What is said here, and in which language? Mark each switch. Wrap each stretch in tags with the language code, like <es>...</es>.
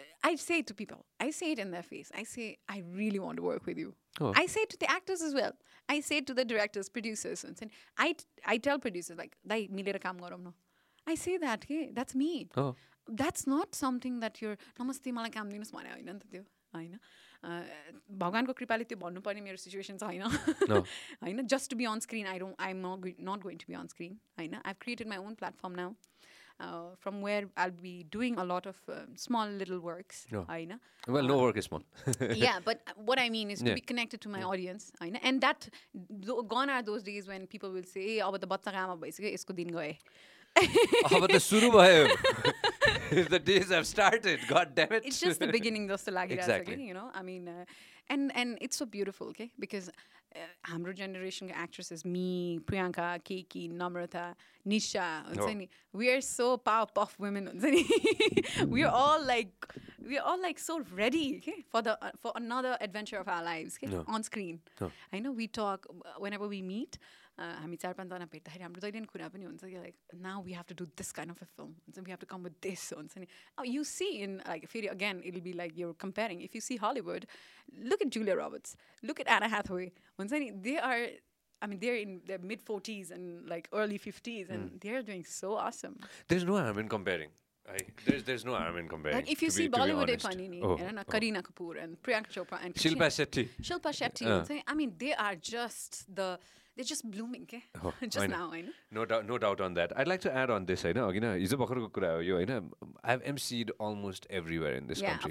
<en>I say it to people, I say it in their face, I say I really want to work with you. Oh. I say it to the actors as well, I say it to the directors, producers, and I tell producers like</en> <ne>dai milera kaam garum na,</ne> <en>I say that, hey, that's me. Oh. That's not something that you're</en> <ne>namaste mala kaam dinus bhane haina ta tyo haina. भगवान्को कृपाले त्यो भन्नुपर्ने मेरो situation छैन होइन.</ne> <en>Just to be on screen I don't I am not going to be on screen होइन. I have created my own platform now from where I be doing a lot of small little works होइन. Well no work is small yeah but what I mean is to be connected to my audience होइन. And that gone are those days when people will say ए</en> <ne>अब त बच्चाको आमा भइसक्यो यसको दिन गए. अब त सुरु भयो.</ne> <en>The days have started, god damn it. It's just the beginning though, so like exactly. You know, I mean and it's so beautiful, okay, because</en> <ne>hamro generation ka</ne> <en>actresses, me, Priyanka, Kiki, Namrata, Nisha, we are so powerpuff women. we are all like so ready, okay, for another adventure of our lives, okay, no. On screen. No. I know we talk whenever we meet.</en> <ne>हामी चार पाँचजना भेट्दाखेरि हाम्रो जहिले पनि कुरा पनि हुन्छ कि</ne> <en>Like now we have to do this kind of a film हुन्छ, we have to come with this हुन्छ नि. अब you see in like फेरि again it will be like your comparing, if you see Hollywood, look at Julia Roberts, look at Anne Hathaway हुन्छ नि, they are I mean they are in the mid 40s and like early 50s and they are doing so awesome. There is no harm in comparing. There's no harm in comparing. Like if you see Bollywood, Kareena Kapoor and Priyanka Chopra and Shilpa Shetty. Shilpa Shetty. I mean, they are just they're just blooming, okay? Just now, I know. No doubt on that. I'd like to add on this, I know.</en> <ne>Hizo bhakharko kura ho yo,</ne> <en>I've emceed almost everywhere in this country.</en>